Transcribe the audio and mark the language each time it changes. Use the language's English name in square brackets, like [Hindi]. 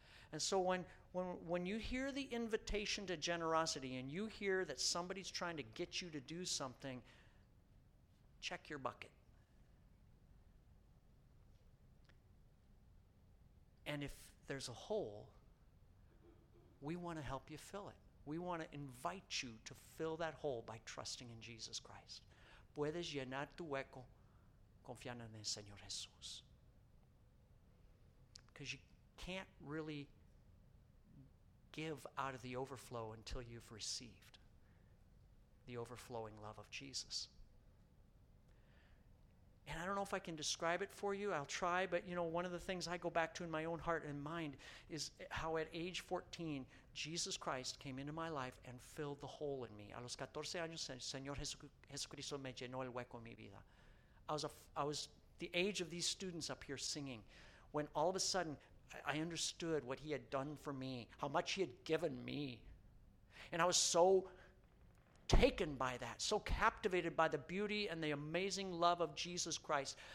[English] And so when you hear the invitation to generosity and you hear that somebody's trying to get you to do something, check your bucket. And if there's a hole, we want to help you fill it. We want to invite you to fill that hole by trusting in Jesus Christ. [Spanish] Puedes llenar tu hueco confiando en el Señor Jesús. [English] Because you can't really give out of the overflow until you've received the overflowing love of Jesus. And I don't know if I can describe it for you. I'll try, but you know, one of the things I go back to in my own heart and mind is how at age 14, Jesus Christ came into my life and filled the hole in me. [Spanish] A los 14 años, Señor Jesucristo me llenó el hueco en mi vida. [English] I was the age of these students up here singing, when all of a sudden I understood what he had done for me, how much he had given me. And I was so taken by that, so captivated by the beauty and the amazing love of Jesus Christ.